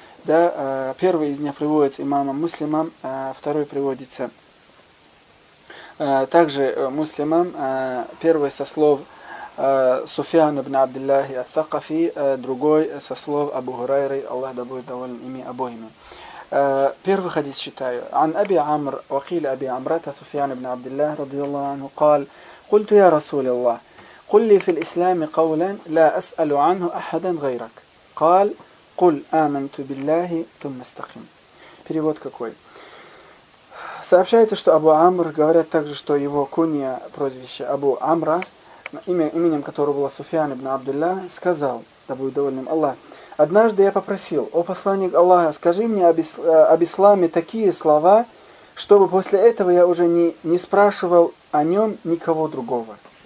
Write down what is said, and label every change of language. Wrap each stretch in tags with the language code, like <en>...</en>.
<ru>Да, первый из них приводится имамом Муслимом, второй приводится также Муслимом, первый со слов Суфиан ибн Абдиллахи ас-Сакафи, другой со слов Абу Хурайры, Аллах да будет доволен ими обоими. Первый хадис читаю.</ru> <ar>«Ан Аби Амр, вакиль Аби Амрата, Суфиан ибн Абдиллахи, радиаллаху анху, قال: قلت يا رسول الله قل لي في الإسلام قولا لا أسأل عنه أحدا غيرك قال قل آمنت بالله ثم استقم».</ar> <ru>Перевод какой? Сообщается, что Абу Амр, говорят также, что его кунья, прозвище Абу Амра, именем которого был Суфиан ибн Абдулла, сказал, да будет доволен Аллах: «Однажды я попросил: о посланник Аллаха, скажи мне об исламе такие слова, чтобы после этого я уже не спрашивал о нем никого другого».</ru>